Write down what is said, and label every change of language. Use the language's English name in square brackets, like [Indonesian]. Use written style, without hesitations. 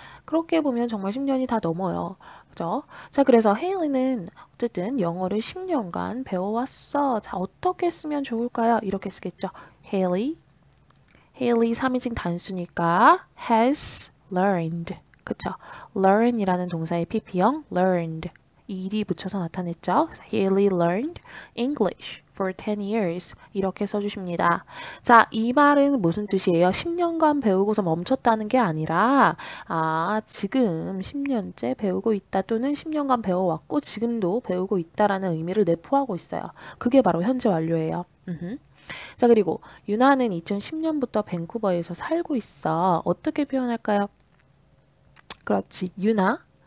[Korean] 그렇게 보면 정말 10년이 다 넘어요. 그죠? 자, 그래서 헤일리는 어쨌든 영어를 10년간 배워왔어. 자, 어떻게 쓰면 좋을까요? 이렇게 쓰겠죠. 헤일리. 헤일리 3인칭 단수니까 [English] has learned. [Korean] 그쵸? learn이라는 동사의 PP형 learned. ed 붙여서 나타냈죠. [English] Haley learned English for 10 years. [Korean] 이렇게 써주십니다. 자, 이 말은 무슨 뜻이에요? 10년간 배우고서 멈췄다는 게 아니라, 아, 지금 10년째 배우고 있다 또는 10년간 배워왔고 지금도 배우고 있다라는 의미를 내포하고 있어요. 그게 바로 현재 완료예요. 자, 그리고 유나는 2010년부터 밴쿠버에서 살고 있어. 어떻게 표현할까요? 그렇지, 유나.